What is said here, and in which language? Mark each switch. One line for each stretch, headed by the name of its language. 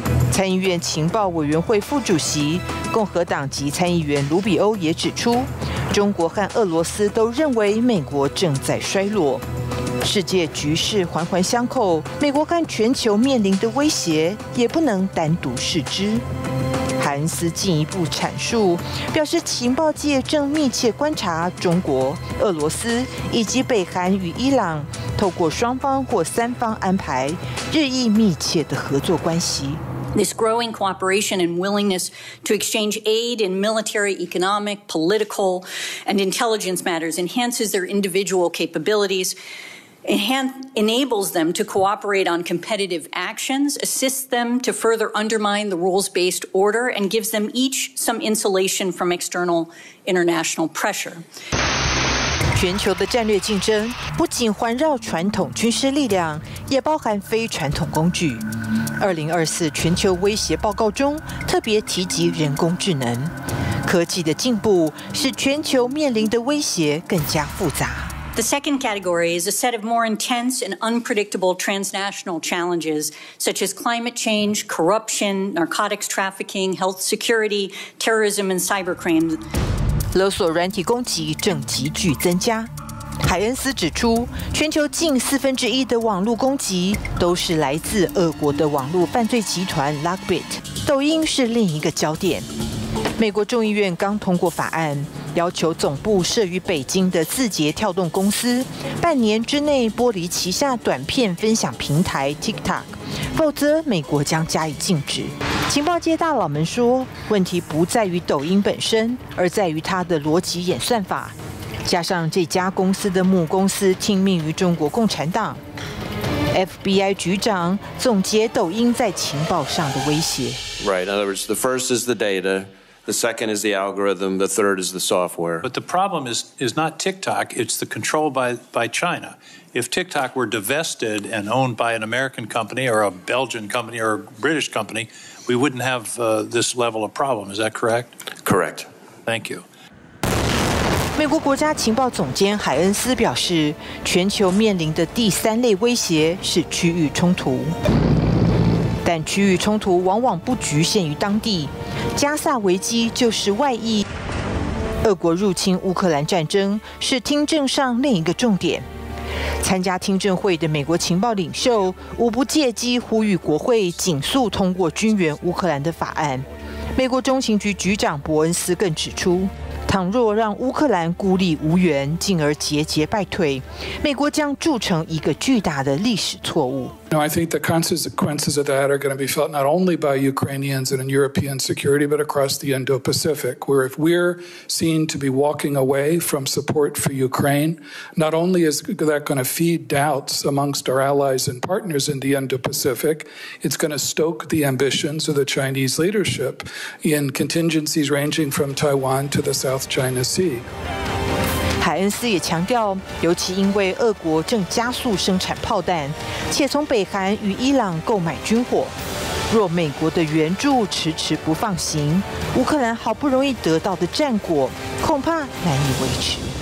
Chinese: 参议院情报委员会副主席、共和党籍参议员卢比欧也指出，中国和俄罗斯都认为美国正在衰落，世界局势环环相扣，美国和全球面临的威胁也不能单独视之。海恩斯进一步阐述，表示情报界正密切观察中国、俄罗斯以及北韩与伊朗透过双方或三方安排日益密切的合作关系。
English: This growing cooperation and willingness to exchange aid in military, economic, political, and intelligence matters enhances their individual capabilities. enables them to cooperate on competitive actions, assists them to further undermine the rules-based order, and gives them each some insulation from external international pressure.
Chinese: 全球的战略竞争不仅环绕传统军事力量，也包含非传统工具。 2024全球威胁报告中特别提及人工智能。科技的进步使全球面临的威胁更加复杂。
English: The second category is a set of more intense and unpredictable transnational challenges, such as climate change, corruption, narcotics trafficking, health security, terrorism, and cybercrime.
Chinese: 勒索软体攻击正急剧增加。海恩斯指出，全球近四分之一的网络攻击都是来自俄国的网络犯罪集团 Lockbit， 抖音是另一个焦点。美国众议院刚通过法案，要求总部设于北京的字节跳动公司半年之内剥离旗下短片分享平台 TikTok， 否则美国将加以禁止。情报界大佬们说，问题不在于抖音本身，而在于它的逻辑演算法，加上这家公司的母公司听命于中国共产党。 FBI 局长总结抖音在情报上的威胁。
English: Right, in other words, the first is the data. The second is the algorithm. The third is the software. But the problem is not TikTok. It's the control by China. If TikTok were divested and owned by an American company or a Belgian company or a British company, we wouldn't have this level of problem. Is that correct? Correct. Thank you.
Chinese: 美国国家情报总监海恩斯表示，全球面临的第三类威胁是区域冲突。但区域冲突往往不局限于当地，加萨危机就是外溢。俄国入侵乌克兰战争是听证上另一个重点。参加听证会的美国情报领袖无不借机呼吁国会紧速通过军援乌克兰的法案。美国中情局局长伯恩斯更指出，倘若让乌克兰孤立无援，进而节节败退，美国将铸成一个巨大的历史错误。
English: No, I think the consequences of that are going to be felt not only by Ukrainians and in European security, but across the Indo-Pacific, where if we're seen to be walking away from support for Ukraine, not only is that going to feed doubts amongst our allies and partners in the Indo-Pacific, it's going to stoke the ambitions of the Chinese leadership in contingencies ranging from Taiwan to the South China Sea.
Chinese: 海恩斯也强调，尤其因为俄国正加速生产炮弹，且从北韩与伊朗购买军火，若美国的援助迟迟不放行，乌克兰好不容易得到的战果恐怕难以维持。